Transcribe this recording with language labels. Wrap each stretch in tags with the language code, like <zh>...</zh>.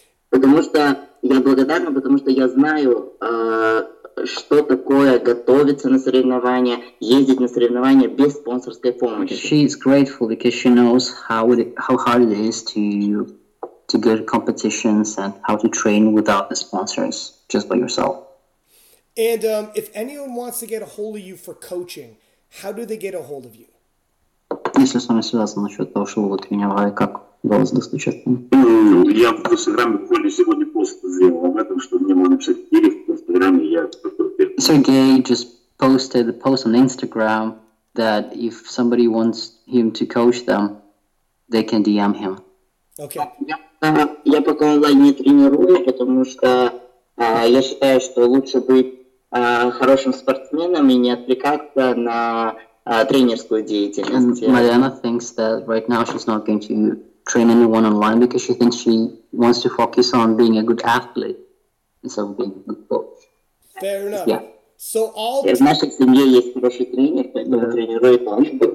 <ru>Потому что я благодарна, потому что я знаю, что такое готовиться на соревнования, ездить на соревнования без спонсорской помощи.</ru> <en>She is grateful because she knows how hard it is to go to competitions and how to train without the sponsors, just by yourself. And if anyone wants to get a hold of you for coaching, how do they get a hold of you?</en> <ru>Если с вами связано насчет того, что вы тренировали, как удалось достучаться? Я в Инстаграме буквально сегодня пост сделал об этом, что мне можно написать или в Инстаграме, я...</ru> <en>Сергей just posted a post on Instagram that if somebody wants him to coach them, they can DM him. Okay.</en> <ru>Я пока онлайн не тренирую, потому что я считаю, что лучше быть хорошим спортсменом и не отвлекаться на...</ru> <en>And Mariana thinks that right now she's not going to train anyone online because she thinks she wants to focus on being a good athlete instead of being a good coach. Fair enough. Yeah. So all the...</en>